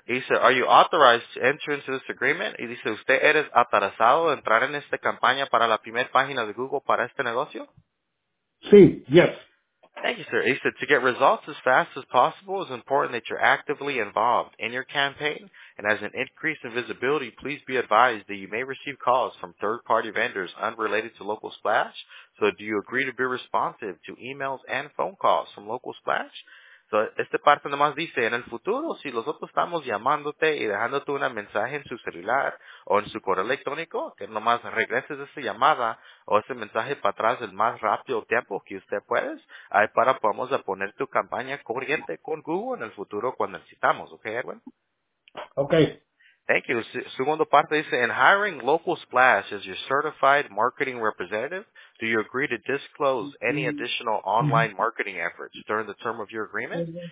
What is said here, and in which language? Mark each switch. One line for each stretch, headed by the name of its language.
English: He said, are you authorized to enter into this agreement?
Spanish: Y dice, ¿usted eres autorizado a entrar en esta campaña para la primera página de Google para este negocio? Sí,
English: yes. Thank you, sir. He said, to get results as fast as possible, it's important that you're actively involved in your campaign. And as an increase in visibility, please be advised that you may receive calls from third-party vendors unrelated to Local Splash. So do you agree to be responsive to emails and phone calls from Local Splash?
Spanish: So, esta parte nomás dice, en el futuro, si nosotros estamos llamándote y dejándote un mensaje en su celular o en su correo electrónico, que nomás regreses esa llamada o ese mensaje para atrás el más rápido tiempo que usted puede, ahí para podamos poner tu campaña corriente con Google en el futuro cuando necesitamos, ¿ok, Edwin?
English: Okay. Thank you.
Spanish: Segundo parte dice,
English: in hiring Local Splash as your certified marketing representative, do you agree to disclose any additional online marketing efforts during the term of your agreement?